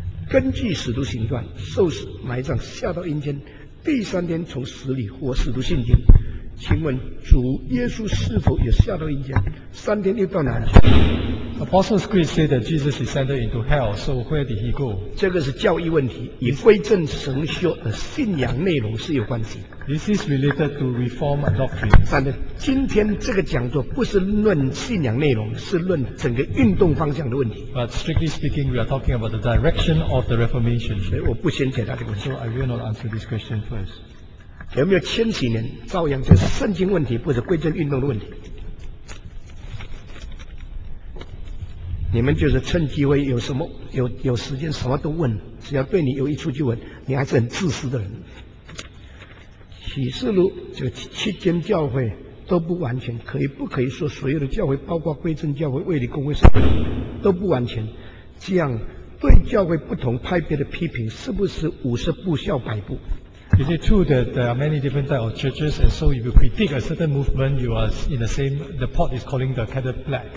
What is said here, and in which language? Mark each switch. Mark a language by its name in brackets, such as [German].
[Chinese] 根据使徒行传，受死、埋葬、下到阴间，第三天从死里活，使徒信经。请问主耶稣是否也下到阴间？三天又到哪里 [English] ？Apostles Creed say that Jesus descended into hell. So where did he go? [Chinese] 这个是教义问题，与归正神学的信仰内容是有关系。 [English] This is related to reform and doctrine. [Chinese] 但是今天这个讲座不是论信仰内容，是论整个运动方向的问题。 [English] But strictly speaking, we are talking about the direction of the Reformation. [Chinese] 所以我不先解答这个问题。 [English] So I will not answer this question first. [Chinese] 有没有千禧年照样就是圣经问题，不是归正运动的问题？你们就是趁机会有什么 有时间什么都问，只要对你有益处就问，你还是很自私的人。启示录这个七间教会都不完全，可以不可以说所有的教会，包括归正教会、卫理公会什么都不完全？这样对教会不同派别的批评，是不是五十步笑百步？ [English] Is it true that there are many different types of churches, and so if you predict a certain movement, you are in the same, the pot is calling the kettle black?